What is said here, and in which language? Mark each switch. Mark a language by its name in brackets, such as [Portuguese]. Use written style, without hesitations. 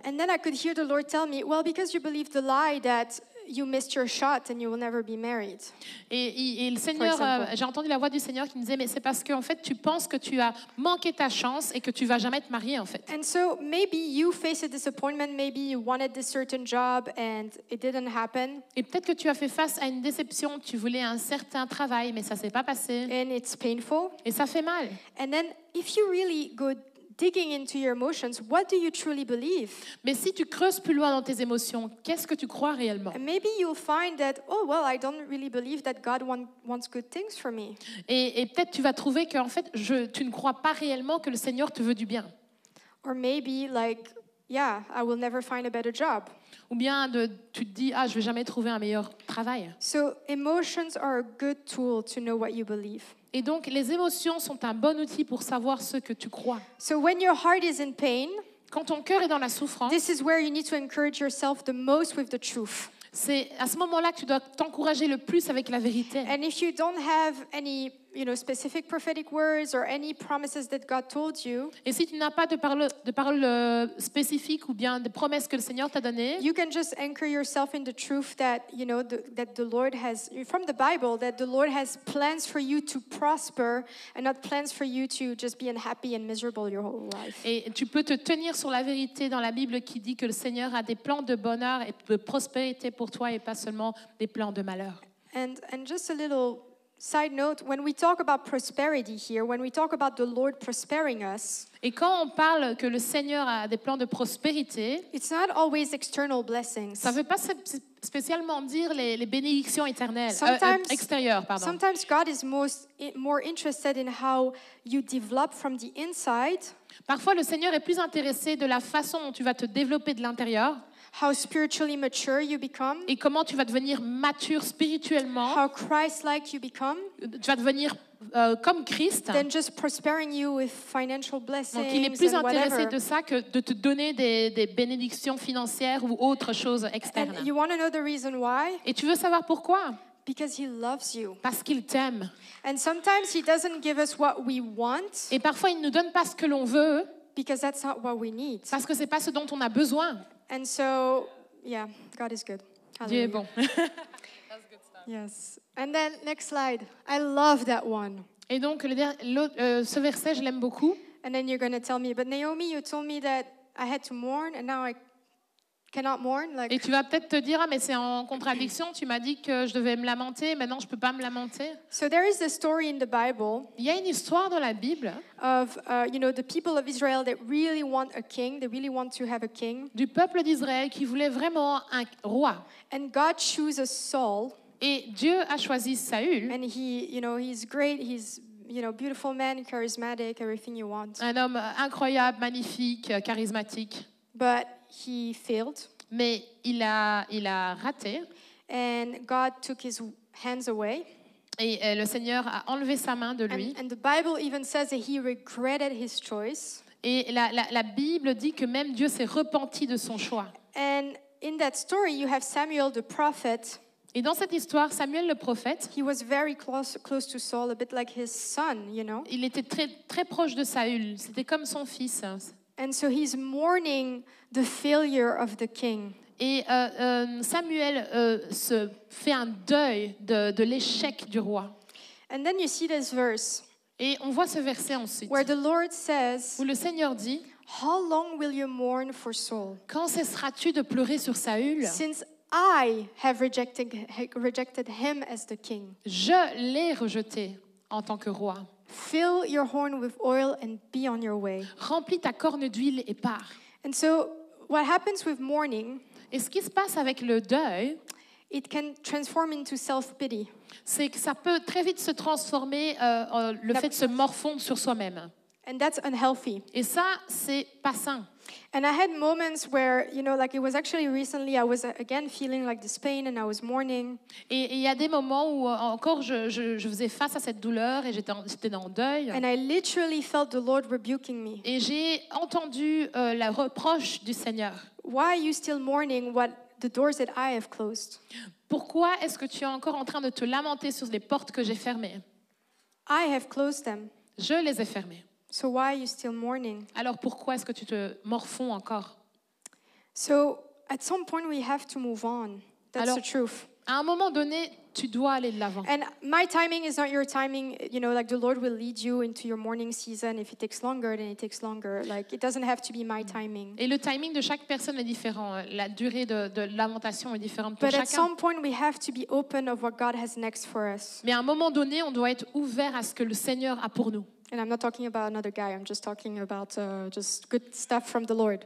[English] And then I could hear the Lord tell me, well, because you believe the lie that you missed your shot and you will never be married. [French] Et le Seigneur, j'ai entendu la voix du Seigneur qui me disait, mais c'est parce qu'en fait, tu penses que tu as manqué ta chance et que tu vas jamais te marier, en fait. [English] And so maybe you face a disappointment, maybe you wanted this certain job and it didn't happen. [French] Et peut-être que tu as fait face à une déception, tu voulais un certain travail, mais ça s'est pas passé. [English] And it's painful. [French] Et ça fait mal. [English] And then if you really go digging into your emotions, what do you truly believe? [French] Mais si tu creuses plus loin dans tes émotions, qu'est-ce que tu crois réellement? [English] And maybe you'll find that, oh well, I don't really believe that God wants good things for me. [French] Et peut-être tu vas trouver que en fait, tu ne crois pas réellement que le Seigneur te veut du bien. [English] Or maybe like, yeah, I will never find a better job. [French] Ou bien tu te dis, ah, je vais jamais trouver un meilleur travail. [English] So emotions are a good tool to know what you believe. [French] Et donc, les émotions sont un bon outil pour savoir ce que tu crois. [English] So when your heart is in pain, [French] quand ton cœur est dans la souffrance, [English] this is where you need to encourage yourself the most with the truth. [French] C'est à ce moment-là que tu dois t'encourager le plus avec la vérité. [English] And if you don't have any, you know, specific prophetic words or any promises that God told you, [French] et si tu n'as pas de paroles spécifiques ou bien des promesses que le Seigneur t'a données, [English] you can just anchor yourself in the truth that, you know, that the Lord has, from the Bible, that the Lord has plans for you to prosper and not plans for you to just be unhappy and miserable your whole life. [French] Et tu peux te tenir sur la vérité dans la Bible qui dit que le Seigneur a des plans de bonheur et de prospérité pour toi et pas seulement des plans de malheur. [English] And just a little side note, when we talk about prosperity here, when we talk about the Lord prospering us, [French] et quand on parle que le Seigneur a des plans de prospérité, [English] it's not always external blessings. [French] Ça veut pas spécialement dire les bénédictions éternelles, extérieures, pardon. [English] Sometimes God is more interested in how you develop from the inside. [French] Parfois le Seigneur est plus intéressé de la façon dont tu vas te développer de l'intérieur. [English] How spiritually mature you become. [French] Et comment tu vas devenir mature spirituellement. [English] How Christ-like you become. [French] Tu vas devenir comme Christ. [English] Than just prospering you with financial blessings. [French] Donc il est plus intéressé de ça que de te donner des bénédictions financières ou autre chose externe. [English] You want to know the reason why? [French] Et tu veux savoir pourquoi? [English] Because he loves you. [French] Parce qu'il t'aime. [English] And sometimes he doesn't give us what we want. [French] Et parfois il ne nous donne pas ce que l'on veut. [English] Because that's not what we need. [French] Parce que c'est pas ce dont on a besoin. [English] And so, yeah, God is good. [French] Hallelujah. Dieu est bon. [English] That's good stuff. Yes. And then, next slide. I love that one. [French] Et donc, ce verset, je l'aime beaucoup. [English] And then you're going to tell me, but Naomi, you told me that I had to mourn, and now I cannot mourn. Like... [French] Et tu vas peut-être te dire, ah, mais c'est en contradiction, tu m'as dit que je devais me lamenter, maintenant je ne peux pas me lamenter. [English] So there is a story in the Bible. [French] Il y a une histoire dans la Bible. [English] Of you know, the people of Israel that really want a king, they really want to have a king. [French] Du peuple d'Israël qui voulait vraiment un roi. [English] And God chooses Saul. [French] Et Dieu a choisi Saül. [English] And he, you know, he's great, he's, you know, beautiful man, charismatic, everything you want. [French] Un homme incroyable, magnifique, charismatique. [English] But he failed. [French] Mais il a raté. [English] And God took his hands away. [French] Et le Seigneur a enlevé sa main de lui. [English] And the Bible even says that he regretted his choice. [French] Et la Bible dit que même Dieu s'est repenti de son choix. [English] And in that story, you have Samuel the prophet. [French] Et dans cette histoire, Samuel le prophète, [English] he was very close to Saul, a bit like his son, you know. [French] Il était très très proche de Saül. C'était comme son fils. [English] And so he's mourning the failure of the king. [French] Et Samuel se fait un deuil de l'échec du roi. [English] And then you see this verse. [French] Et on voit ce verset ensuite. [English] Where the Lord says, [French] où le Seigneur dit, [English] how long will you mourn for Saul? [French] Quand cesseras-tu de pleurer sur Saül? [English] Since I have rejected him as the king. [French] Je l'ai rejeté en tant que roi. [English] Fill your horn with oil and be on your way. [French] Remplis ta corne d'huile et pars. [English] And so, what happens with mourning? [French] Et ce qui se passe avec le deuil? [English] It can transform into self-pity. [French] C'est que ça peut très vite se transformer le fait de se morfondre sur soi-même. [English] And that's unhealthy. [French] Et ça, c'est pas sain. [English] And I had moments where, you know, like it was actually recently, I was again feeling like this pain and I was mourning. [French] Et il y a des moments où encore je faisais face à cette douleur et j'étais en deuil. [English] And I literally felt the Lord rebuking me. [French] Et j'ai entendu la reproche du Seigneur. [English] Why are you still mourning what the doors that I have closed? [French] Pourquoi est-ce que tu es encore en train de te lamenter sur les portes que j'ai fermées? [English] I have closed them. [French] Je les ai fermées. [English] So why are you still mourning? [French] Alors pourquoi est-ce que tu te morfonds encore? [English] So at some point we have to move on. That's [French] Alors, [English] the truth. [French] À un moment donné, tu dois aller de l'avant. [English] And my timing is not your timing. You know, like the Lord will lead you into your morning season. If it takes longer, then it takes longer. Like it doesn't have to be my timing. [French] Et le timing de chaque personne est différent. La durée de lamentation est différente pour [English] But [French] chacun. [English] But at some point, we have to be open of what God has next for us. [French] Mais à un moment donné, on doit être ouvert à ce que le Seigneur a pour nous. [English] And I'm not talking about another guy. I'm just talking about just good stuff from the Lord.